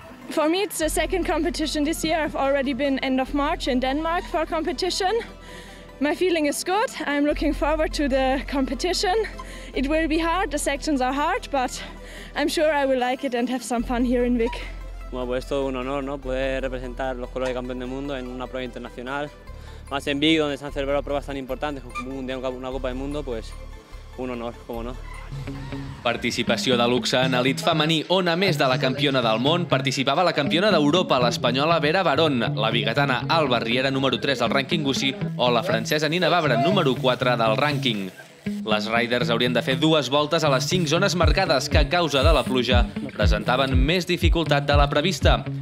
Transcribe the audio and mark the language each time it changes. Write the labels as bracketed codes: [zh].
[en] For me it's the second competition this year. I've already been end of March in Denmark for a competition. My feeling is good. I'm looking forward to the competition. It will be hard, the sections are hard, but I'm sure I will like it and have some fun here in Vic. [es] Bueno, pues es todo un honor, ¿no? Poder representar los colores de campeón del mundo en una prueba internacional. Más en Vic, donde se han celebrado pruebas tan importantes como un mundial, una Copa del Mundo, pues un honor, cómo no. [ca] Participació de luxe en elit femení, on a més de la campiona del món, participava la campiona d'Europa, l'espanyola Vera Barón, la biguetana Alba Riera, número 3 del rànquing UCI, o la francesa Nina Babra, número 4 del rànquing. Les riders haurien de fer dues voltes a les 5 zones marcades que, a causa de la pluja, presentaven més dificultat de la prevista.